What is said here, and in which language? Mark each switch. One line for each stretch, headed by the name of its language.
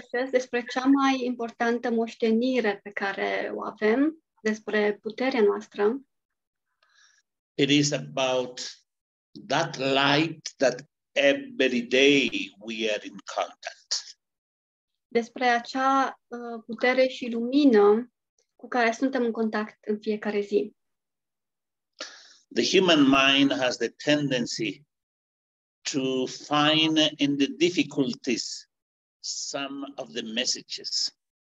Romanian: Despre cea mai importantă moștenire pe care o avem, despre puterea noastră.
English: It is about that light that every day we are in contact.
Romanian: Despre acea putere și lumină cu care suntem în contact în fiecare zi.
English: The human mind has the tendency to find in the difficulties some of the messages.